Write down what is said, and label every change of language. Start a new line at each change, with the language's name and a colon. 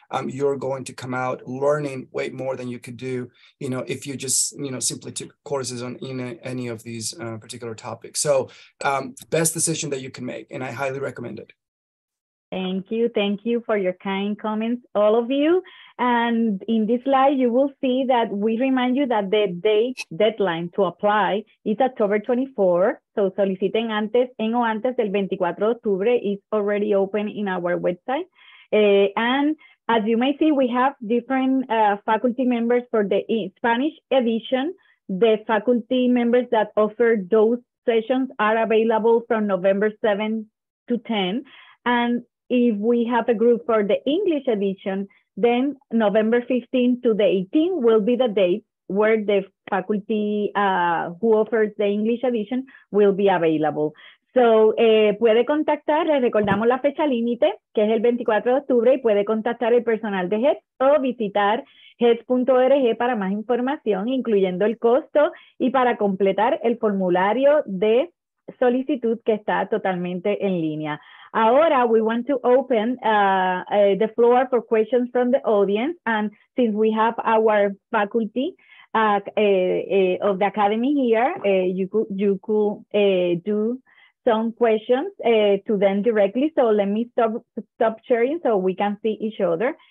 English: You're going to come out learning way more than you could do, you know, if you just, you know, simply took courses on in any of these particular topics. So best decision that you can make, and I highly recommend it. Thank you for your kind comments, all of you. And in this slide you will see that we remind you that the deadline to apply is October 24.
Spanish: So soliciten antes, en o antes del 24 de octubre.
English: It's already open in our website. And as you may see, we have different faculty members for the Spanish edition. The faculty members that offer those sessions are available from November 7 to 10. And if we have a group for the English edition, then November 15 to the 18 will be the date where the faculty who offers the English edition will be available.
Spanish: So, puede contactar, les recordamos la fecha límite, que es el 24 de octubre, y puede contactar el personal de HETS o visitar HETS.org para más información, incluyendo el costo, y para completar el formulario de solicitud que está totalmente en línea.
English: Ahora, we want to open the floor for questions from the audience, and since we have our faculty of the Academy here, you could do... some questions to them directly. So let me stop sharing so we can see each other.